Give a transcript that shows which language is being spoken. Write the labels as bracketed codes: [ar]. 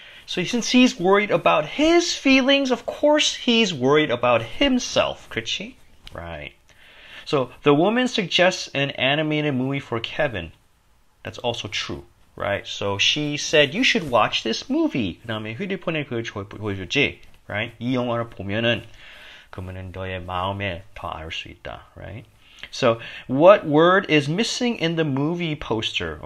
[en] So since he's worried about his feelings, of course he's worried about himself, [ko] 그치? [en] Right. So the woman suggests an animated movie for Kevin. That's also true, right? So she said, you should watch this movie. [ko] 그 다음에 휴대폰에 그걸 보여줬지, [en] right? [ko] 이 영화를 보면은, 그러면은 너의 마음에 더 알 수 있다, [en] right? So what word is missing in the movie poster?